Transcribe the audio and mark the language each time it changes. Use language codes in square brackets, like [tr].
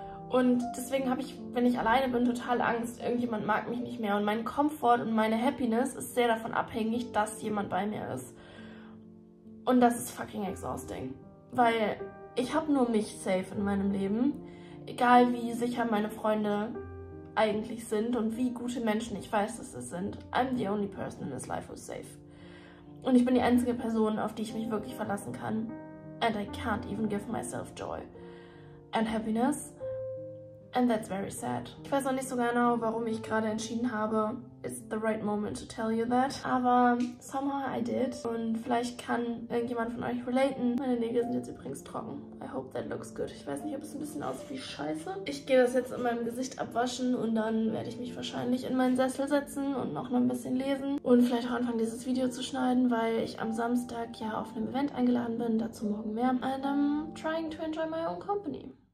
[de] Und deswegen habe ich, wenn ich alleine bin, total Angst, irgendjemand mag mich nicht mehr und mein Komfort und meine Happiness ist sehr davon abhängig, dass jemand bei mir ist. Und das ist [en] fucking exhausting. [de] Weil ich habe nur mich safe in meinem Leben. Egal wie sicher meine Freunde eigentlich sind und wie gute Menschen ich weiß, dass sie sind. [en] I'm the only person in this life who's safe. [de] Und ich bin die einzige Person, auf die ich mich wirklich verlassen kann. [en] And I can't even give myself joy and happiness. And that's very sad. [de] Ich weiß noch nicht so genau, warum ich gerade entschieden habe, [en] it's the right moment to tell you that. [de] Aber [en] somehow I did. [de] Und vielleicht kann irgendjemand von euch relaten. Meine Nägel sind jetzt übrigens trocken. [en] I hope that looks good. [de] Ich weiß nicht, ob es ein bisschen aussieht wie Scheiße. Ich gehe das jetzt in meinem Gesicht abwaschen und dann werde ich mich wahrscheinlich in meinen Sessel setzen und noch ein bisschen lesen. Und vielleicht auch anfangen, dieses Video zu schneiden, weil ich am Samstag ja auf einem Event eingeladen bin. Dazu morgen mehr. [en] And I'm trying to enjoy my own company.